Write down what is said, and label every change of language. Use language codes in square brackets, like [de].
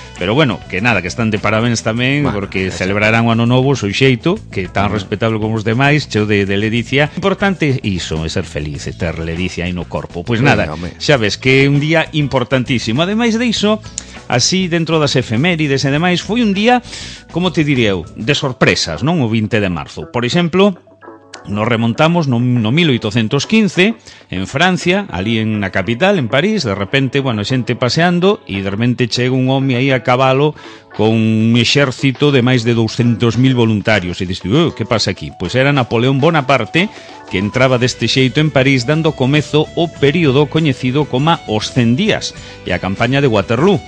[gl] Pero bueno, que nada, que están de parabéns tamén, bueno, porque celebrarán o Ano Novo, seu xeito, que tan respetable como os demais, cheo de ledicia. Importante iso, é ser feliz, é ter ledicia aí no corpo. Pois nada, xabes que é un día importantísimo. Ademais de iso, así dentro das efemérides e demais, foi un día, como te diría eu, de sorpresas, non? O 20 de marzo. Por exemplo, [es] Nos remontamos a 1815, en Francia, allí en la capital, en París. De repente, bueno, xente paseando y de repente llega un hombre ahí a caballo con un ejército de más de 200.000 voluntarios. Y dice, ¿qué pasa aquí? Pues era Napoleón Bonaparte que entraba de este xeito en París [gl] dando comezo o período coñecido como Os 100 días [es] y a campaña de Waterloo.